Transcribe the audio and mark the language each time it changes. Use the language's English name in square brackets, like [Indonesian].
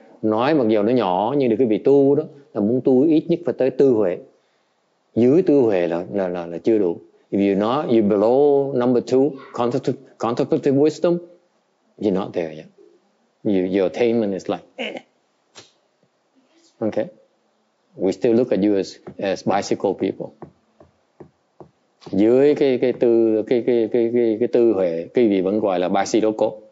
[Vietnamese] Nói mặc dù nó nhỏ nhưng được cái vị tu đó là muốn tu ít nhất phải tới tư huệ, dưới tư huệ là chưa đủ. [English] If you're not, you're below number two, contemplative wisdom, you're not there yet. Your attainment is like, okay, we still look at you as bicycle people. [Vietnamese] Dưới cái tư huệ, cái vị vẫn gọi là bicycle.